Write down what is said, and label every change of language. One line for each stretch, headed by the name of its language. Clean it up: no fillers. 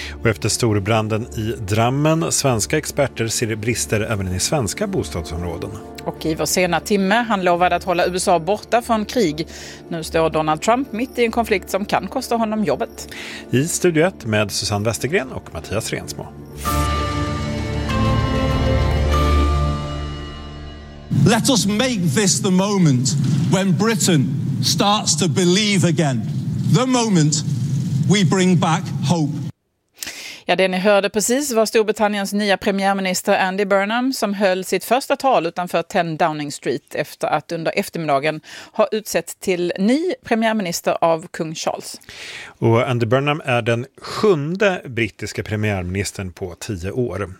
Swedish: Och efter storbranden i Drammen, svenska experter ser brister även i svenska bostadsområden. Och i vår sena timme, han lovade att hålla USA borta från krig. Nu står Donald Trump mitt i en konflikt som kan kosta honom jobbet. I Studio 1 med Susanne Westergren och Mattias Ren.
English: Let us make this the moment when Britain starts to believe again. The moment we bring back hope.
Swedish: Ja, det ni hörde precis var Storbritanniens nya premiärminister Andy Burnham som höll sitt första tal utanför 10 Downing Street efter att under eftermiddagen ha utsett till ny premiärminister av kung Charles. Och Andy Burnham är den 7:e brittiska premiärministern på 10 år.